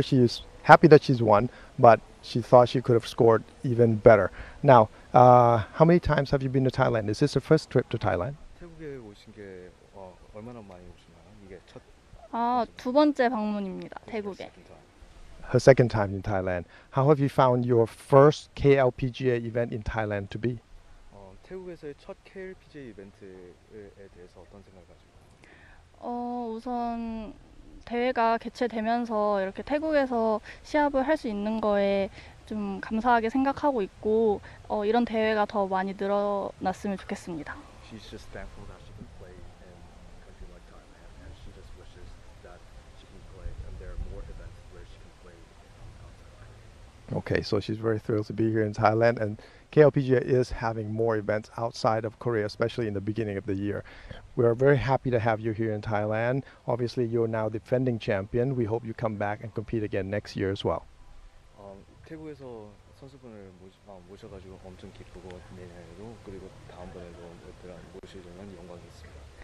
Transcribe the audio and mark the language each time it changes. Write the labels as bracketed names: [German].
[English] She's happy that she's won, but she thought she could have scored even better. Now, how many times have you been to Thailand? Is this your first trip to Thailand? [Korean] 태국에 오신 게 얼마나 많이 오셨나요? 이게 첫 두 번째 방문입니다. 태국에. [English] Her second time in Thailand. How have you found your first KLPGA event in Thailand to be? [Korean] 태국에서의 첫 KLPGA 이벤트에 대해서 어떤 생각을 가지고? 우선 대회가 개최되면서 이렇게 태국에서 시합을 할 수 있는 거에 좀 감사하게 생각하고 있고 이런 대회가 더 많이 늘어났으면 좋겠습니다. [English] She's just thankful that she can play in a country like Thailand, and she just wishes that she can play, and there are more events where she can play outside. Okay, so she's very thrilled to be here in Thailand, and KLPGA is having more events outside of Korea, especially in the beginning of the year. We are very happy to have you here in Thailand. Obviously, you're now the defending champion. We hope you come back and compete again next year as well. [Korean] 태국에서 선수분을 모셔가지고 엄청 기쁘고 내년에도 그리고 다음번에도 모시는 건 영광이었습니다.